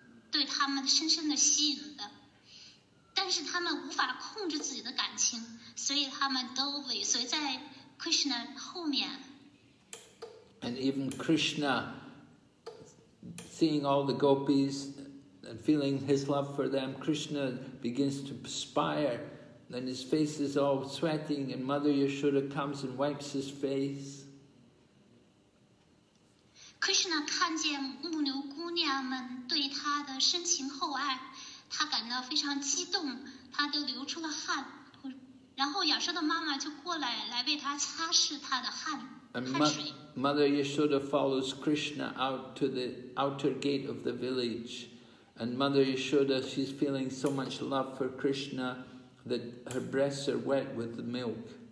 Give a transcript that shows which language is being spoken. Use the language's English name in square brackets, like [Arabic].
[Chinese] 对他们深深的吸引的，但是他们无法控制自己的感情，所以他们都尾随在 Krishna 后面。 [English] And even Krishna, seeing all the gopis and feeling his love for them, Krishna begins to perspire, and his face is all sweating. And Mother Yashoda comes and wipes his face. [Chinese] Krishna 看见牧牛姑娘们。对他的深情厚爱，他感到非常激动，他都流出了汗。然后亚瑟的妈妈就过来为他擦拭他的汗。 [English] And Mother Yashoda follows Krishna out to the outer gate of the village, and Mother Yashoda, she's feeling so much love for Krishna that her breasts are wet with the milk.